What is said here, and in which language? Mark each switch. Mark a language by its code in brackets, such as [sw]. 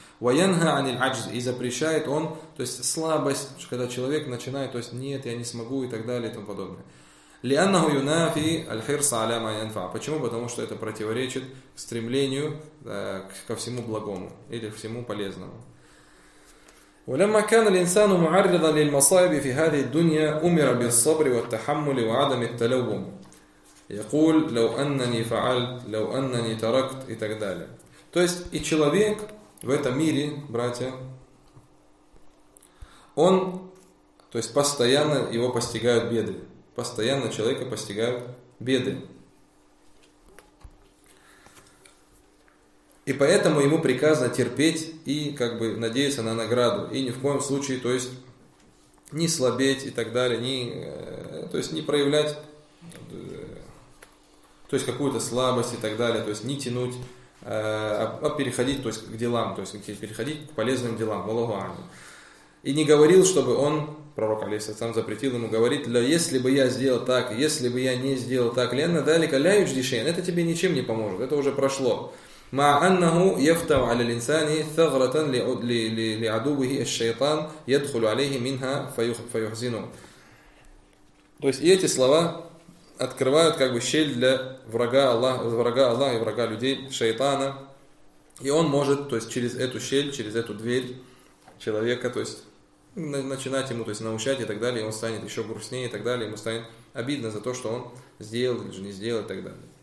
[ar] Ваянха аниль аджз, [ru] и запрещает он, то есть слабость, когда человек начинает, то есть нет, я не смогу и так далее и тому подобное. [ar] Лианнаху юнафи аль-хирса аля ма янфа. [ru] Почему? Потому что это противоречит стремлению ко всему благому или всему полезному. [ar] ولما كان الإنسان معرضا للمصائب في هذه الدنيا أمر بالصبر والتحمل وعدم التلوم يقول لو أنني فعلت لو أنني تركت [ru] и так далее. То есть и человек в этом мире, братья, он, то есть постоянно его постигают беды, постоянно человека постигают беды. И поэтому ему приказано терпеть и как бы надеяться на награду. И ни в коем случае, то есть, не слабеть и так далее, не, то есть, не проявлять то есть, какую-то слабость и так далее, то есть, не тянуть, а переходить то есть, к делам, то есть, переходить к полезным делам. И не говорил, чтобы он, пророк алейхиссалям, запретил ему говорить, «Ля, если бы я сделал так, если бы я не сделал так, [ar] ленна далека ляюч дишен, [ru] это тебе ничем не поможет, это уже прошло». [ar] مع أنه يفتو على الإنسان ثغرة لعدوه الشيطان يدخل عليه منها فيحزنه. [ru] То есть и эти слова открывают как бы щель для врага Аллаха и врага людей, шайтана. И он может, то есть через эту щель, через эту дверь человека, то есть начинать ему, то есть научать и так далее, ему станет еще грустнее и так далее, ему станет обидно за то, что он сделал или же не сделал и так далее.